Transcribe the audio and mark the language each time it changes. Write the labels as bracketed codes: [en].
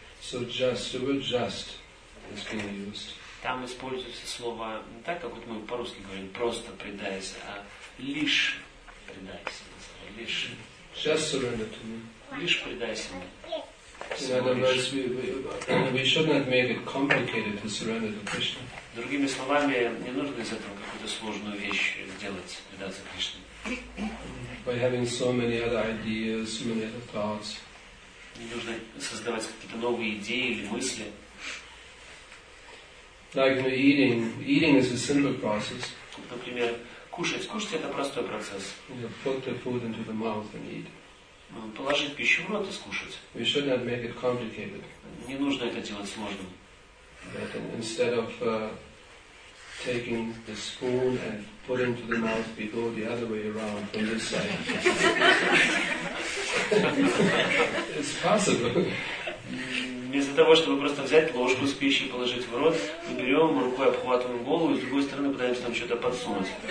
[en] So just, the word just is being used. [ru] Там используется слово не так, как мы по-русски говорим, просто предайся, а лишь предайся. Лишь. [en] Just surrender to me. [ru] Лишь предайся мне. [en] In other words, we should not make it complicated to surrender to Krishna. [ru] Другими словами, не нужно из этого какую-то сложную вещь сделать, предаться Кришне. [en] By having so many other ideas, so many other thoughts. [ru] Не нужно создавать какие-то новые идеи или мысли. [en] Like eating. Eating is a simple process. [ru] Например, кушать. Кушать – это простой процесс. [en] You put the food into the mouth and eat. [ru] Положить пищу в рот и скушать. [en] We should not make it complicated. [ru] Не нужно это делать сложным. [en] But instead of taking the spoon and putting it to the mouth, we go the other way around from this side. It's possible. [ru] Вместо того, чтобы просто взять ложку с пищей и положить в рот, мы берем рукой, обхватываем голову и с другой стороны пытаемся там что-то подсунуть.